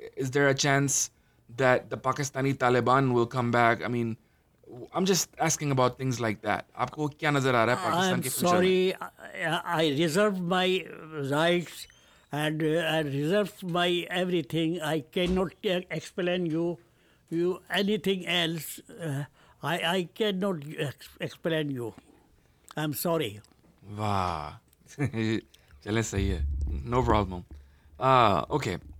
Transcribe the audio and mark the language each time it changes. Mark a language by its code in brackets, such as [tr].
[en] Is there a chance that the Pakistani Taliban will come back? I mean, I'm just asking about things like that. [hi] आपको क्या नजर आ रहा है पाकिस्तान के future? [en] I'm sorry, I reserve my rights and I reserve my everything. I cannot explain you anything else. I cannot explain you. I'm sorry. [hi] वाह, चलें सही है. [en] No problem. Okay.